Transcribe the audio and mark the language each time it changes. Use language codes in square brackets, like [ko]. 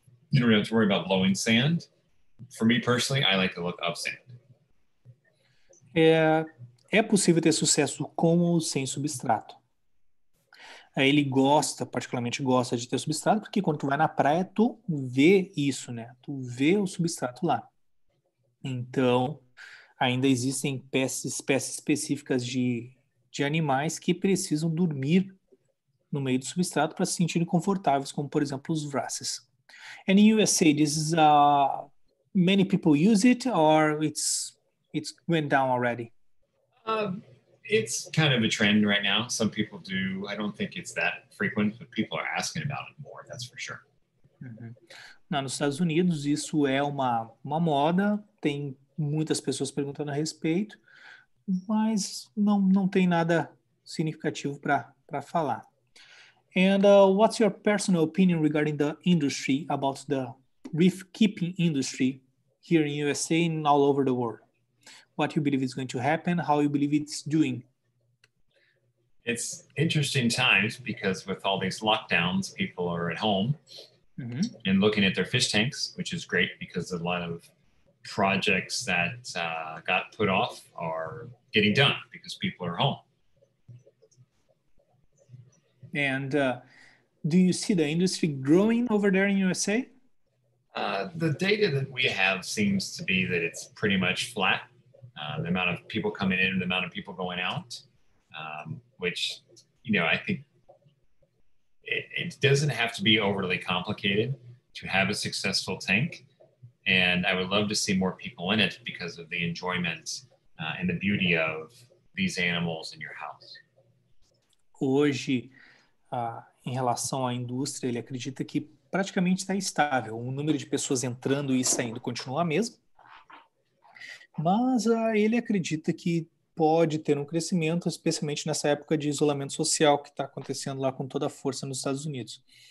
[en] You don't have to worry about blowing sand. For me personally, I like the look of sand. [pt] É possível ter sucesso com ou sem substrato. Ele gosta, particularmente gosta de ter substrato, porque quando tu vai na praia, tu vê isso, né? Tu vê o substrato lá. Então, ainda existem espécies específicas de animais que precisam dormir no meio do substrato para se sentirem confortáveis, como, por exemplo, os wrasses. [en] And in USA, this is, many people use it, or it's went down already? It's kind of a trend right now. Some people do. I don't think it's that frequent, but people are asking about it more, that's for sure. [pt] Uhum. Nos Estados Unidos, isso é uma moda. Tem muitas pessoas perguntando a respeito, mas não tem nada significativo para falar. [en] And what's your personal opinion regarding the industry, about the reef keeping industry here in USA and all over the world? What you believe is going to happen, how you believe it's doing? It's interesting times because with all these lockdowns, people are at home mm-hmm. and looking at their fish tanks, which is great because a lot of projects that got put off are getting done because people are home. And do you see the industry growing over there in USA? The data that we have seems to be that it's pretty much flat. The amount of people coming in, the amount of people going out, which, you know, I think it doesn't have to be overly complicated to have a successful tank. And I would love to see more people in it because of the enjoyment and the beauty of these animals in your house. [pt] Hoje, em relação à indústria, ele acredita que praticamente está estável. O número de pessoas entrando e saindo continua o mesmo. Mas ele acredita que pode ter um crescimento, especialmente nessa época de isolamento social que está acontecendo lá com toda a força nos Estados Unidos.